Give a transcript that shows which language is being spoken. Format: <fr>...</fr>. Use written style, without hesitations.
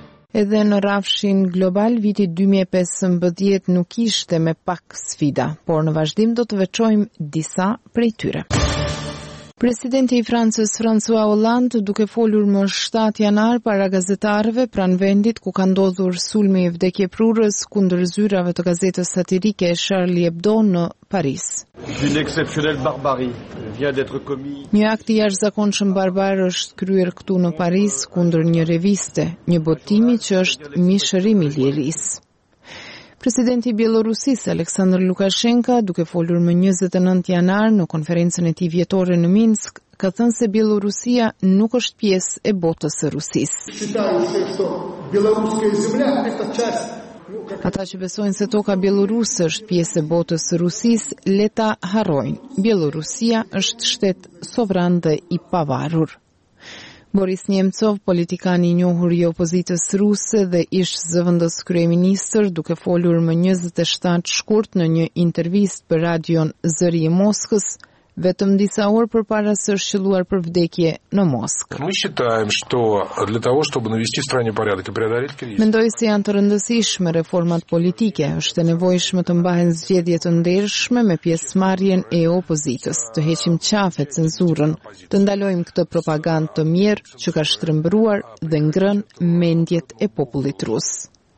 <sq>Edhe në rafshin global, viti 2015 nuk ishte me pak sfida, por në vazhdim do të veçojmë disa prej tyre. Presidenti i Francës François Hollande, duke folur më 7 janar para gazetarëve pranë vendit ku ka ndodhur sulmi i vdekjeprurës kundër zyrave të gazetës satirike Charlie Hebdo në Paris.</sq> <fr>Une exceptionnelle barbarie vient d'être commise.</fr> <sq>Një akt i jashtëzakonshëm barbar është kryer këtu në Paris kundër një reviste, një botimi që është mishërim i lirisë. Presidenti i Bielorusisë Aleksandr Lukashenka, duke folur më 29 janar në konferencën e tij vjetore në Minsk, ka thënë se Bielorusia nuk është pjesë e botës së Rusisë. Ata që besojnë se toka bieloruse është pjesë e botës së Rusisë, leta harrojnë. Bielorusia është shtet sovran dhe i pavarur. Boris Nemtsov, politikan i njohur i opozitës ruse dhe ish zëvendës kryeministër, duke folur më 27 shkurt në një intervistë për radion Zëri i Moskës, vetëm disa orë përpara së shqelluar për vdekje në Moskë.</sq> <ru>Мы считаем, что для того, чтобы навести в стране порядок и преодолеть кризис.</ru> <sq>Mendoj se janë të rëndësishme reformat politike, është e nevojshme të mbahen zgjedhje të ndershme me pjesëmarrjen e opozitës, të heqim qafe cenzurën, të ndalojmë këtë propagandë të mjerë që ka shtrëmbruar dhe ngrën mendjet e popullit rus.</sq>